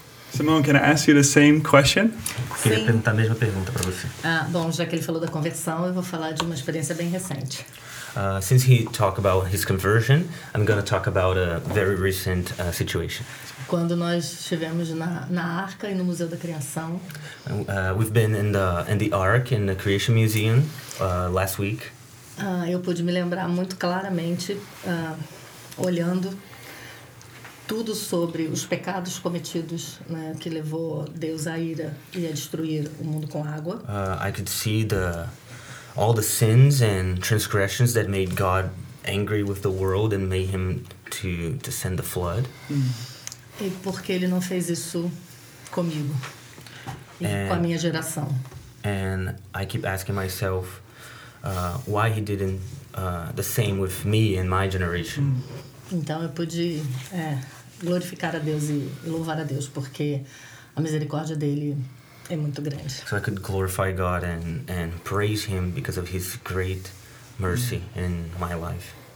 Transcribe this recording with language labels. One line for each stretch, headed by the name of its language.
English: Simone, can I ask you the same question?
Portuguese: Queria perguntar a mesma pergunta para você. Bom, já que ele falou da conversão, eu vou falar de uma experiência bem recente.
English: Since he talked about his conversion, I'm going to talk about a very recent situation.
Portuguese: Quando nós estivemos na Arca e no Museu da Criação.
English: We've been in the Ark in the Creation Museum last week.
Portuguese: Eu pude me lembrar muito claramente olhando tudo sobre os pecados cometidos, né, que levou Deus à ira e a destruir o mundo com água.
English: I could see the all the sins and transgressions that made God angry with the world and made him to send the flood.
Portuguese: E por que ele não fez isso comigo e
English: and,
Portuguese: com a minha geração?
English: And I keep asking myself why he didn't the same with me and my generation.
Portuguese: Então eu pude glorificar a Deus e louvar a Deus porque a misericórdia dele é muito grande.
English: So I could glorify God and praise him because of his great mercy in my life.